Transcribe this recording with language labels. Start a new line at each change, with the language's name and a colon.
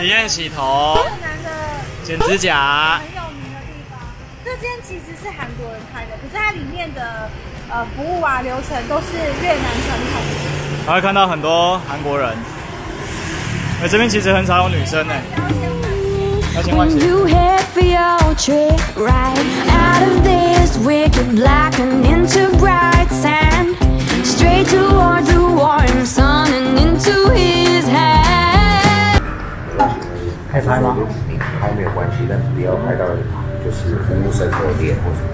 Chinese: 体验洗头，越南的剪指甲，很有名的地方。这间其实是韩国人开的，可是它里面的服务啊流程都是越南传统的。还会看到很多韩国人，这边其实很少有女生呢。
English: You have your trip right out of this wicked black and into bright sand, straight toward the warm sun and into his hand.
Chinese: 还拍吗？拍没有关系，但是不要拍到就是服务生的脸或者